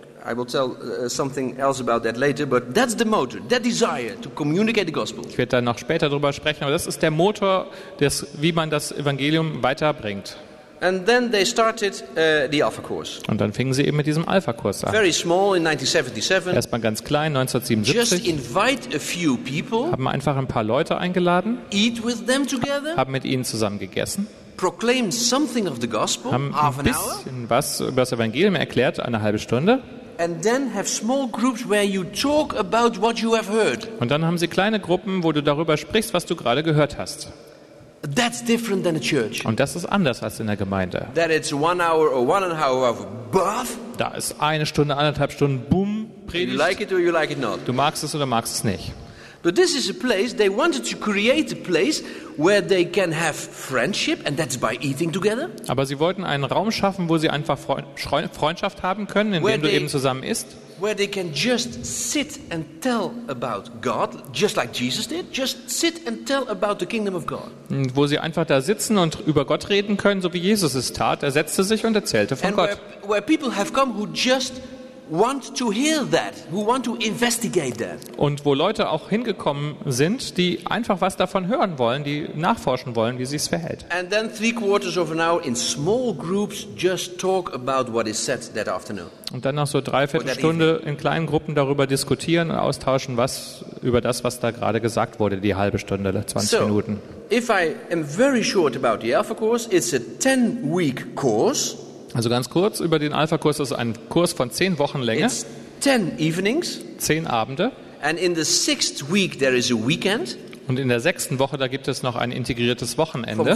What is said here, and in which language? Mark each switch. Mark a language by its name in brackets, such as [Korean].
[English] I will tell something else about that later, but that's the motor, that desire to communicate the gospel. [German] Ich werde dann noch später darüber sprechen, aber das ist der Motor, wie man das Evangelium weiterbringt. [English] And then they started the Alpha course. [German] Und dann fingen sie eben mit diesem Alpha-Kurs an. [English] Very small in 1977. [German] Erstmal ganz klein 1977. [English] Just invite a few people. [German] Haben einfach ein paar Leute eingeladen. [English] Eat with them together. [German] Haben mit ihnen zusammen gegessen. [English] Proclaim something of the gospel. [German] Haben [English] half an [German] ein bisschen was über das Evangelium erklärt, eine halbe Stunde. [English] And then have small groups where you talk about what you have heard. [German] Und dann haben sie kleine Gruppen, wo du darüber sprichst, was du gerade gehört hast. [English] That's different than a church. [German] Und das ist anders als in der Gemeinde. [English] That it's 1 hour or 1.5 hour of buff. [German] Da ist eine Stunde, anderthalb Stunden, boom, Predigt. [English] You like it or you like it not. [German] Du magst es oder magst es nicht. [English] But this is a place they wanted to create, a place where they can have friendship, and that's by eating together. [German] Aber sie wollten einen Raum schaffen, wo sie einfach Freundschaft haben können, in dem du eben zusammen isst. [English] Where they can just sit and tell about God, just like Jesus did. Just sit and tell about the kingdom of God. [German] Und wo sie einfach da sitzen und über Gott reden können, so wie Jesus es tat. Er setzte sich und erzählte von Gott. [English] Where people have come who just want to hear that, who want to investigate that. [German] Und wo Leute auch hingekommen sind, die einfach was davon hören wollen, die nachforschen wollen, wie sich's verhält. [English] And then 3/4 of an hour in small groups just talk about what is said that afternoon. [German] Und dann noch so 3/4 Stunde in kleinen Gruppen darüber diskutieren und austauschen, was über das, was da gerade gesagt wurde, die halbe Stunde, 20 Minuten. [English] If I am very short about the Alpha course, it's a 10-week course. [German] Also ganz kurz über den Alpha-Kurs, das ist ein Kurs von 10 Wochen Länge. [English] It's 10 evenings. [German] 10 Abende. [English] And in the sixth week there is a weekend. [German] Und in der sechsten Woche, da gibt es noch ein integriertes Wochenende.